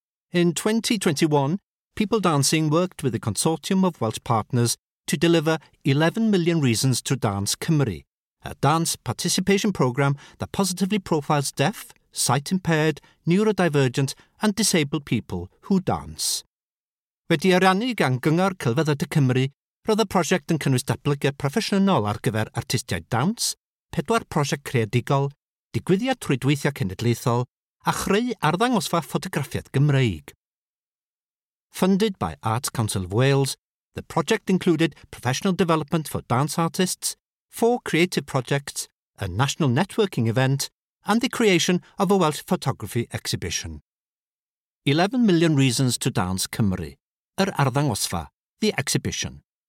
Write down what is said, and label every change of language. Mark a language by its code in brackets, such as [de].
[en] In 2021, People Dancing worked with a consortium of Welsh partners to deliver 11 Million Reasons to Dance Cymru, a dance participation programme that positively profiles deaf, sight impaired, neurodivergent and disabled people who dance. [cy] Wedi ariannu gan Gyngor Celfyddyd y Cymru, roedd y prosiect yn cynnwys datblygu proffesiynol ar gyfer artistiaid dawns, pedwar prosiect creadigol, digwyddiad trwydweithio cenedlaethol, a chreu arddangosfa ffotograffiad Gymreig. [en] Funded by Arts Council of Wales, the project included professional development for dance artists, four creative projects, a national networking event, and the creation of a Welsh photography exhibition. 11 Million Reasons to Dance Cymru, [cy] yr arddangosfa, [en] the exhibition.